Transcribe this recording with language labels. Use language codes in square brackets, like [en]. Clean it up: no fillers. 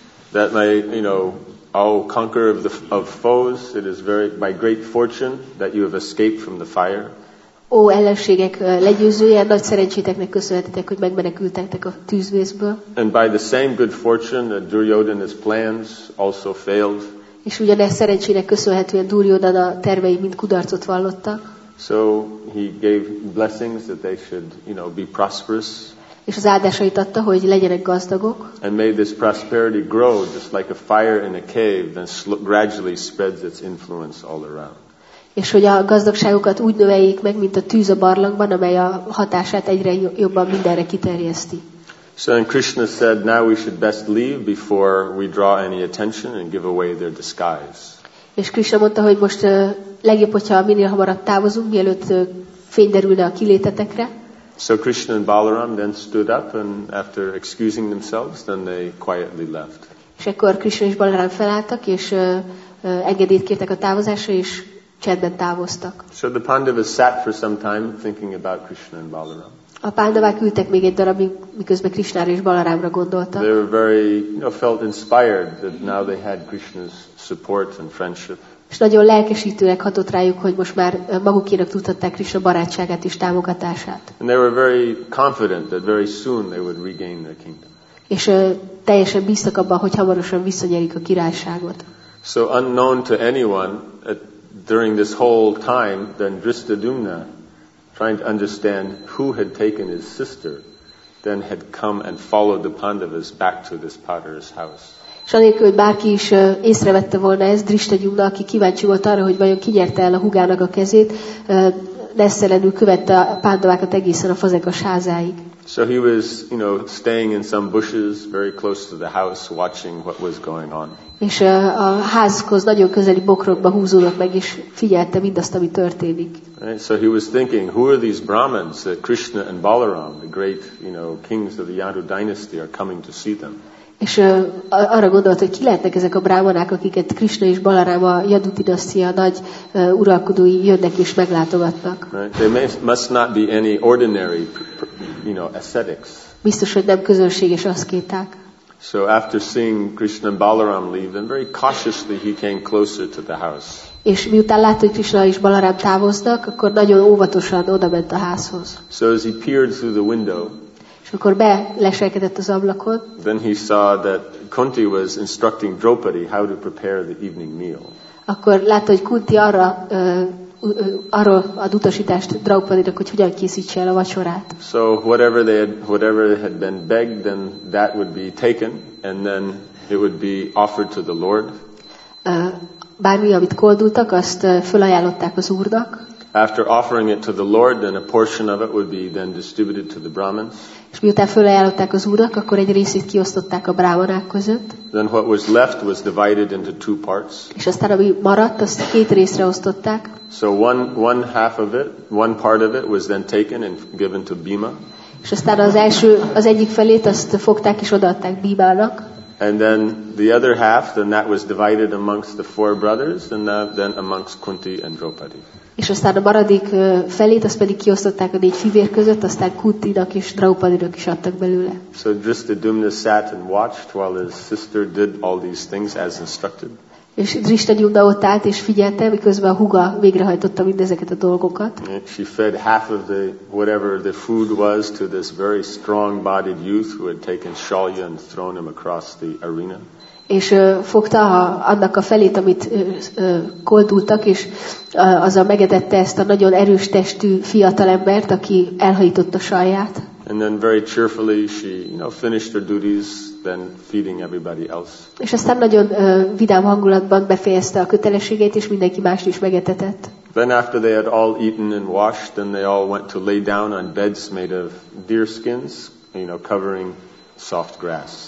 [en] That my, you know, all conqueror of foes, it is very by great fortune that you have escaped from the fire. [hu] Ó, ellenségek legyőzője, nagy szerencséteknek köszönhetitek, hogy megmenekültetek a tűzvészből. [en] And by the same good fortune that Duryodhana's plans also failed. [hu] És ugyanez szerencsének köszönhetően Duryodhana tervei mind kudarcot vallottak. [en] So he gave blessings that they should, you know, be prosperous. [hu] És az áldásait adta, hogy legyenek gazdagok. [en] And made this prosperity grow just like a fire in a cave and gradually spreads its influence all around. [hu] És hogy a gazdagságokat úgy növeljék meg, mint a tűz a barlangban, amely a hatását egyre jobban mindenre kiterjeszti. [en] So then Krishna said, now we should best leave before we draw any attention and give away their disguise. [hu] És Krishna mondta, hogy most legjobb, hogyha minél hamarabb távozunk, mielőtt fény derülne a kilétetekre. [en] So Krishna and Balaram then stood up, and after excusing themselves, then they quietly left. [hu] És akkor Krishna és Balaram felálltak, és engedélyt kértek a távozásra, és csendben távoztak. [en] So the Pandavas sat for some time thinking about Krishna and Balaram. [hu] A pándavák ültek még egy darabig, miközben Krishnára és Balarámra gondoltak. [en] They were very, you know, felt inspired that now they had Krishna's support and friendship. [hu] És nagyon lelkesítőnek hatott rájuk, hogy most már magukénak tudhatták Krishna barátságát és támogatását. [en] And they were very confident that very soon they would regain their kingdom. [hu] És teljesen bíztak abban, hogy hamarosan visszanyerik a királyságot. [en] So unknown to anyone, during this whole time, then Dhrishtadyumna, trying to understand who had taken his sister, then had come and followed the Pandavas back to this potter's house. [hu] Anélkül, hogy bárki is észrevette volna ezt, Dhrishtadyumna, aki kíváncsi volt arra, hogy vajon kinyerte el a húgának a kezét, nesztelenül követte a pándavákat egészen a fazekas házáig. [en] So he was, you know, staying in some bushes very close to the house, watching what was going on. [hu] És a házhoz nagyon közeli bokrokba húzódott meg, és figyelte mindazt, ami történik. [en] Right, so he was thinking, who are these Brahmins that Krishna and Balaram, the great, you know, kings of the Yadu dynasty, are coming to see them? [hu] És arra gondolt, hogy ki lehetnek ezek a brahmanák, akiket Krishna és Balaram, a Yadu dinasztia nagy uralkodói jönnek és meglátogatnak. [en] Right, they must not be any ordinary, you know, ascetics. [hu] Biztos, hogy nem közönséges aszkéták. [en] So after seeing Krishna and Balaram leave, then very cautiously he came closer to the house. [hu] És miután látta, hogy Krishna és Balaram távoznak, akkor nagyon óvatosan odament a házhoz. [en] So as he peered through the window, [hu] és akkor beleselkedett az ablakon, [en] then he saw that Kunti was instructing Draupadi how to prepare the evening meal. [hu] Akkor látta, hogy Kunti arról ad utasítást Draupadinak, hogy hogyan készítse el a vacsorát. [en] So whatever had been begged, then that would be taken, and then it would be offered to the Lord. [hu] Bármi, amit koldultak, azt felajánlották az Úrnak. [en] After offering it to the Lord, then a portion of it would be then distributed to the Brahmins. [hu] És miután felajánlották az Úrnak, akkor egy részét kiosztották a brahmanák között. [en] Then what was left was divided into two parts. [hu] És aztán, ami maradt, azt két részre osztották. [en] So one half of it, one part of it was then taken and given to Bhima. [hu] És aztán az egyik felét azt fogták és odaadták Bhimának. [en] And then the other half, then that was divided amongst the four brothers, and then amongst Kunti and Draupadi. [hu] És aztán a maradék felét, azt pedig kiosztották a négy fivér között, aztán Kuntinak és Draupadinak is adtak belőle. [en] So Dhrishtadyumna sat and watched while his sister did all these things as instructed. [hu] És Dhrishtadyumna ott állt és figyelte, miközben a húga végrehajtotta mindezeket a dolgokat. [en] And she fed half of the whatever the food was to this very strong-bodied youth who had taken Shalya and thrown him across the arena. [hu] És fogta annak a felét, amit koldultak, és azzal megedette ezt a nagyon erős testű fiatalembert, aki elhajította Shalyát. [en] And then very cheerfully she, you know, finished her duties, then feeding everybody else. [hu] És aztán nagyon vidám hangulatban befejezte a kötelességeit, és mindenki mást is megetetett. [en] Then after they had all eaten and washed, then they all went to lay down on beds made of deer skins, you know, covering soft grass.